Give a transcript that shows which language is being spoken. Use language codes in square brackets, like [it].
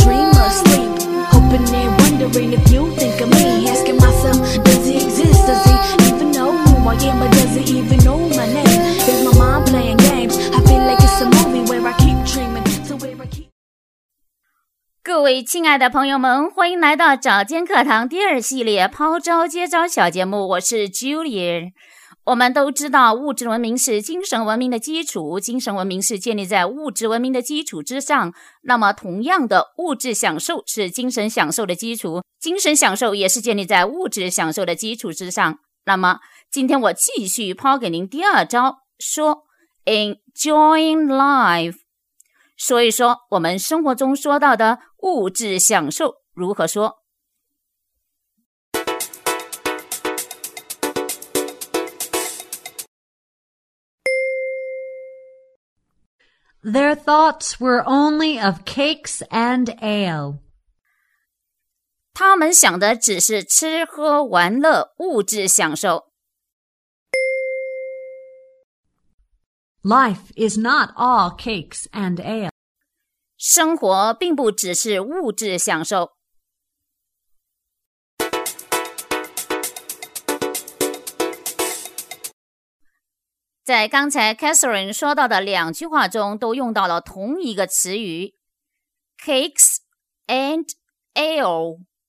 [en] wondering if you think of me. Asking myself, does he exist? Does he even know who I am? Or does he even know my name? Is my mind playing games? I feel like it's a movie where I keep dreaming. So where I keep... [zh] 各位亲爱的朋友们，欢迎来到早间课堂第二系列抛招接招小节目，我是 Julia。我们都知道物质文明是精神文明的基础，精神文明是建立在物质文明的基础之上，那么同样的，物质享受是精神享受的基础，精神享受也是建立在物质享受的基础之上。那么今天我继续抛给您第二招，说 Enjoying life， 说一说我们生活中说到的物质享受如何说。 [en] Their thoughts were only of cakes and ale. [zh] 他们想的只是吃喝玩乐，物质享受。 [en] Life is not all cakes and ale. [zh] 生活并不只是物质享受。在刚才 Catherine 说到的两句话中都用到了同一个词语 Cakes and ale